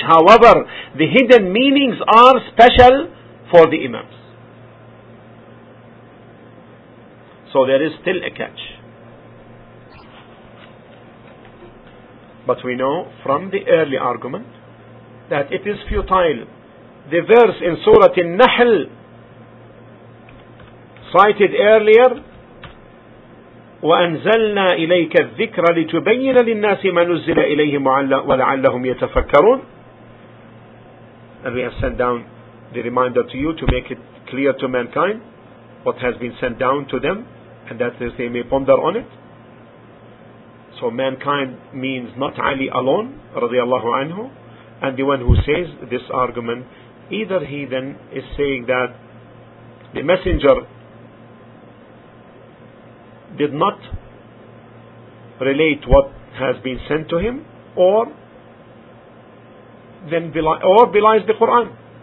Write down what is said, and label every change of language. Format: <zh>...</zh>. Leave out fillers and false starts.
<en>However, the hidden meanings are special for the Imams. So there is still a catch. But we know from the early argument that it is futile. The verse in Surah An-Nahl cited earlier,</en> <ar>وَأَنْزَلْنَا إِلَيْكَ الذِّكْرَ لِتُبَيِّنَ لِلنَّاسِ مَا نُزِّلَ إِلَيْهِمْ وَلَعَلَّهُمْ يَتَفَكَّرُونَ.</ar> <en>And we have sent down the reminder to you to make it clear to mankind what has been sent down to them, and that is they may ponder on it. So mankind means not Ali alone</en> <ar>رضي الله عنه,</ar> <en>and the one who says this argument, either he then is saying that the messenger did not relate what has been sent to him, or belies the Quran.</en>